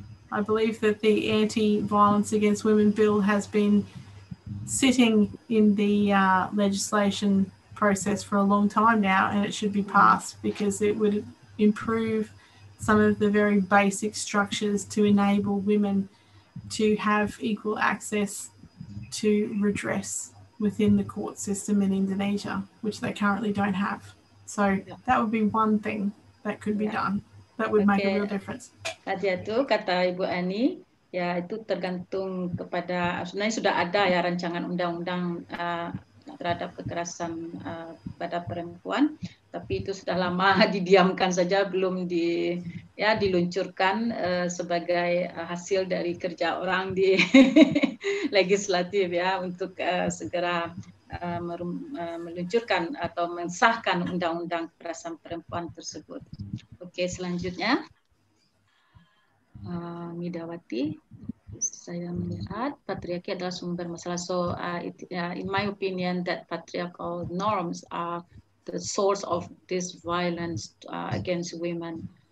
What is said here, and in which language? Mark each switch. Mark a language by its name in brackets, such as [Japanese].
[English] I believe that the Anti-Violence Against Women Bill has been sitting in the legislation process for a long time now, and it should be passed because it would improve some of the very basic structures to enable women to have equal access to redress within the court system in Indonesia, which they currently don't have. So that would be one thing that could be done that would make a real difference. [Indonesian] Tadi itu kata Ibu Ani, ya itu tergantung kepada, sebenarnya sudah ada ya rancangan undang-undang terhadap kekerasan pada perempuan, tapi itu sudah lama didiamkan saja, belum di ya diluncurkan sebagai hasil dari kerja orang di legislatif ya, untuk segera meluncurkan atau mensahkan undang-undang kekerasan perempuan tersebut. Oke, selanjutnya Midawati. Saya melihat patriarki adalah sumber masalah. [English] So in my opinion, that patriarchal norms are the source of this violence against women.